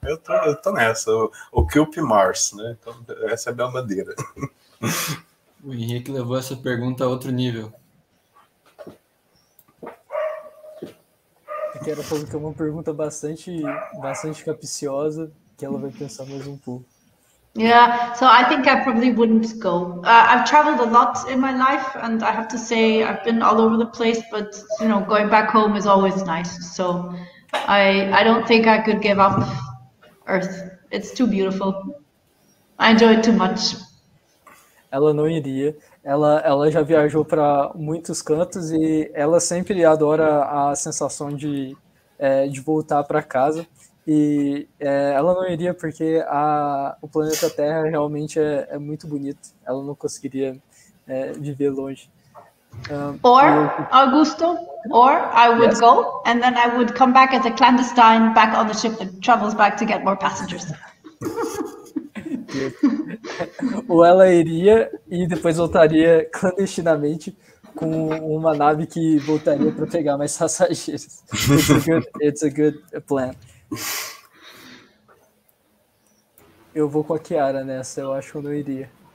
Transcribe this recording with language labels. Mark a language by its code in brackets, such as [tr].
[pt] Eu tô nessa, o Cup Mars, né? Então, essa é a minha bandeira. O Henrique levou essa pergunta a outro nível. Que era fazer uma pergunta bastante, bastante capciosa, que ela vai pensar mais um pouco. [en] Yeah, so I think I probably wouldn't go. I've traveled a lot in my life, and I have to say I've been all over the place. But you know, going back home is always nice. So I don't think I could give up Earth. It's too beautiful. I enjoy it too much. [pt] Ela não iria. Ela já viajou para muitos cantos e ela sempre adora a sensação de voltar para casa. E ela não iria porque o planeta Terra realmente é muito bonito. Ela não conseguiria viver longe. [en] Augusto, go and then I would come back as a clandestine back on the ship that travels back to get more passengers. [pt] Ou ela iria e depois voltaria clandestinamente com uma nave que voltaria para pegar mais passageiros. [en] It's a good plan. [pt] Eu vou com a Kiara nessa, eu acho que eu não iria.